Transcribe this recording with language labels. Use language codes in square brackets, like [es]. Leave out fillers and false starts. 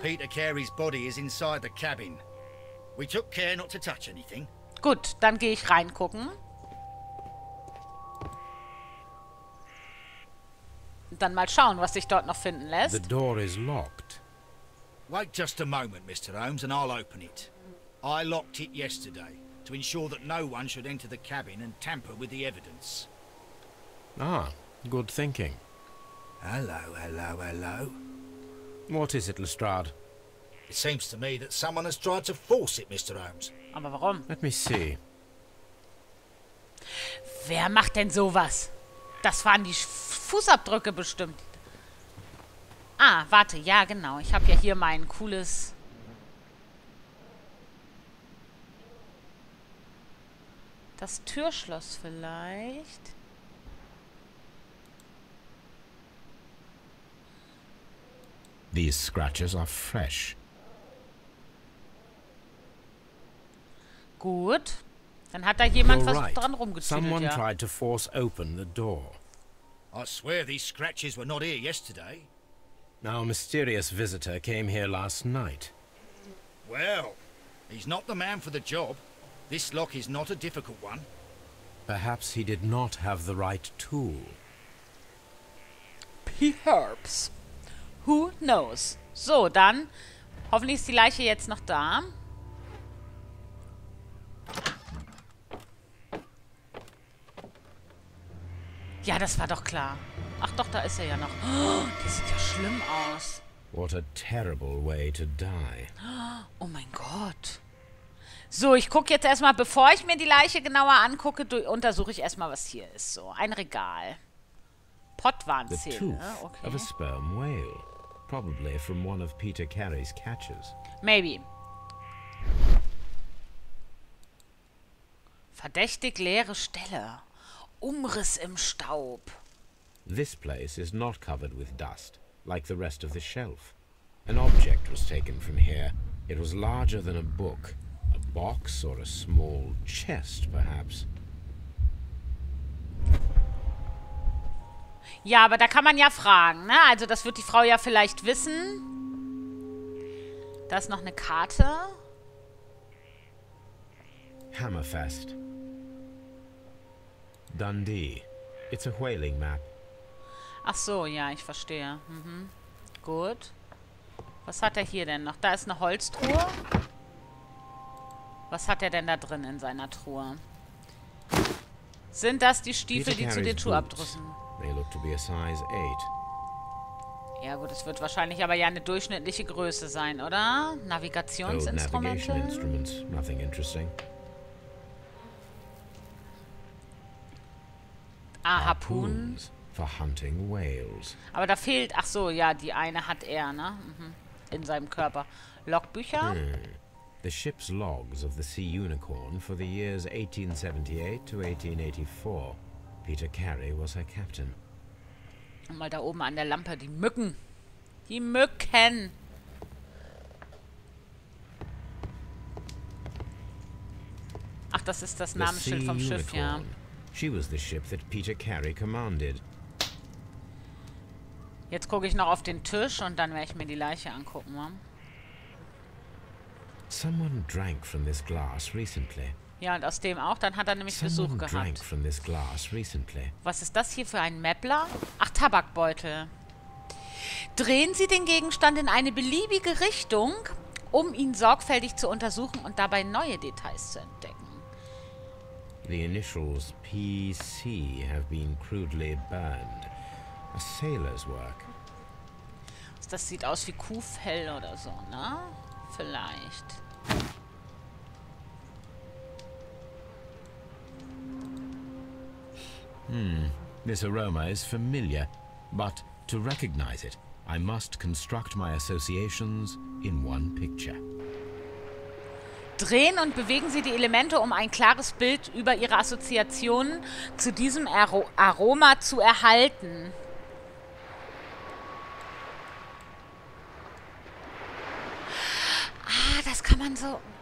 [en] Peter Carey's body is inside the cabin. We took care not to touch anything. [de] Gut, dann gehe ich reingucken. Dann mal schauen, was sich dort noch finden lässt. [en] The door is locked. Wait just a moment, Mr. Holmes, and I'll open it. I locked it yesterday to ensure that no one should enter the cabin and tamper with the evidence. Ah, good thinking. Hello, hello, hello. What is it, Lestrade? It seems to me that someone has tried to force it, Mr. Holmes. [de] Aber warum? [en] Let me see. [de] Wer macht denn sowas? Das waren die Fußabdrücke bestimmt. Ah, warte, ja genau. Ich habe ja hier mein cooles... Das Türschloss vielleicht. [en] These scratches are fresh. [de] Gut. Dann hat da jemand was dran rumgezündelt, ja. [en] Someone tried to force open the door. I swear these scratches were not here yesterday. Our mysterious visitor came here last night. Well, he's not the man for the job. This lock is not a difficult one. Perhaps he did not have the right tool. Perhaps. Who knows? [de] So, dann hoffentlich ist die Leiche jetzt noch da. Ja, das war doch klar. Ach doch, da ist er ja noch. Oh, das sieht ja schlimm aus. [en] What a terrible way to die. [de] Oh mein Gott. So, ich gucke jetzt erstmal, bevor ich mir die Leiche genauer angucke, untersuche ich erstmal, was hier ist. So, ein Regal. Pottwarnzähne. [en] The tooth of a sperm whale. Probably from one of Peter Carey's catches. Maybe. [de] Verdächtig leere Stelle. Umriss im Staub. [en] This place is not covered with dust, like the rest of the shelf. An object was taken from here. It was larger than a book. A box or a small chest, perhaps. [de] Ja, aber da kann man ja fragen, ne? Also das wird die Frau ja vielleicht wissen. Da ist noch eine Karte. Hammerfest. [en] Dundee. It's a whaling map. [de] Ach so, ja, ich verstehe. Mhm. Gut. Was hat er hier denn noch? Da ist eine Holztruhe. Was hat er denn da drin in seiner Truhe? Sind das die Stiefel, die zu den Schuhabdrüssen? [en] They look to be a size 8. [de] Ja gut, es wird wahrscheinlich aber ja eine durchschnittliche Größe sein, oder? Navigationsinstrumente. [en] Nothing interesting. Ah, Harpoons for hunting whales. [de] Aber da fehlt, ach so, ja, die eine hat er, ne? Mhm. In seinem Körper. Logbücher. Hmm. [en] The ship's logs of the sea unicorn for the years 1878 to 1884. Peter Carey was her captain. [de] Und mal da oben an der Lampe, die Mücken. Die Mücken. Ach, das ist das Namensschild vom Schiff, ja. [en] She was the ship that Peter Carey commanded. [de] Jetzt gucke ich noch auf den Tisch und dann werde ich mir die Leiche angucken. Ne? [en] Someone drank from this glass recently. [de] Ja, und aus dem auch. Dann hat er nämlich [en] Someone [de] Besuch gehabt. [en] Drank from this glass recently. [de] Was ist das hier für ein Mäppler? Ach, Tabakbeutel. Drehen Sie den Gegenstand in eine beliebige Richtung, um ihn sorgfältig zu untersuchen und dabei neue Details zu entdecken. [en] The initials PC have been crudely burned. A sailor's work. [de] Das sieht aus wie Kuhfell oder so, ne? Vielleicht. Hmm. [en] This aroma is familiar, but to recognize it, I must construct my associations in one picture. [de] Drehen und bewegen Sie die Elemente, um ein klares Bild über Ihre Assoziationen zu diesem Aroma zu erhalten. Ah, das kann man so...